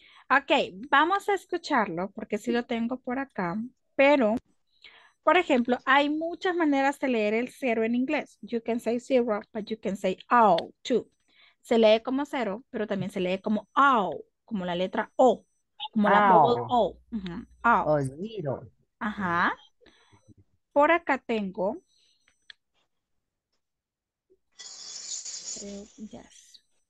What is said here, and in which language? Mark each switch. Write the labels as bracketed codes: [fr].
[es] Okay, vamos a escucharlo porque sí lo tengo por acá, pero, por ejemplo, hay muchas maneras de leer el cero en inglés. [en] You can say zero, but you can say O, too. [es] Se lee como cero, pero también se lee como O, como la letra O, como la double O. [en] O, zero. [es] Ajá. Por acá tengo. [en] Yes.